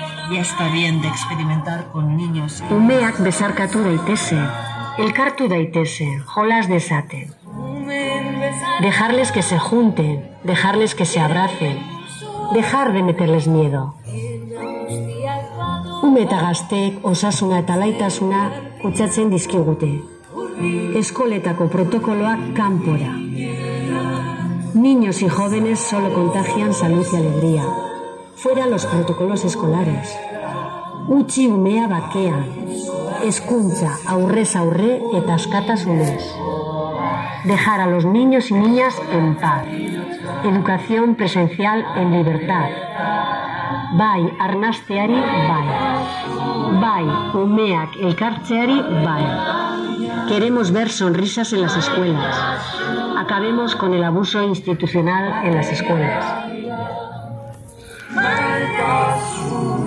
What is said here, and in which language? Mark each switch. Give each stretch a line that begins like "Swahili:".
Spanish: Ya está bien de experimentar con niños.
Basque: Umeak besarkatu daitese, elkartu daitese, jolas desaten.
Spanish: Dejarles que se junten, dejarles que se abracen, dejar de meterles miedo.
Basque: Ume eta gazteek osasuna eta laitasuna kutsatzen dizkigute. Eskoletako protokoloak kanpora.
Spanish: Niños y jóvenes solo contagian salud y alegría. Fuera los protocolos escolares.
Basque: Utzi umea bakean. Eskuntza aurrez aurre eta askatasunez.
Spanish: Dejar a los niños y niñas en paz. Educación presencial en libertad.
Basque: Bai arnasteari bai. Bai umeak elkartzeari bai.
Spanish: Queremos ver sonrisas en las escuelas. Acabemos con el abuso institucional en las escuelas.